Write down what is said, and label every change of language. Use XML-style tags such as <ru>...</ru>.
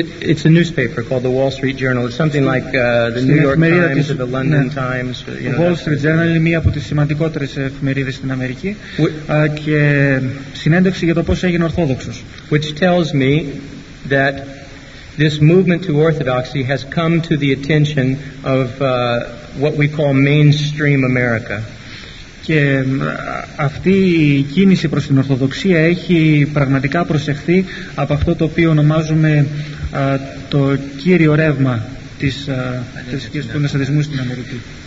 <en>It's a newspaper called the Wall Street Journal. It's something like the New York Times or the London Times.</en> <el>The Wall Street Journal είναι μία από τις σημαντικότερες εφημερίδες στην Αμερική και συνέντευξη για το πώς έγινε Ορθόδοξος.</el> <en>Which tells me that this movement to Orthodoxy has come to the attention of what we call mainstream America.</en> <el>Και αυτή η κίνηση προς την Ορθοδοξία έχει πραγματικά προσεχθεί από αυτό το οποίο ονομάζουμε το κύριο ρεύμα της θρησκείας του μεσαδισμού στην Αμερική.</el>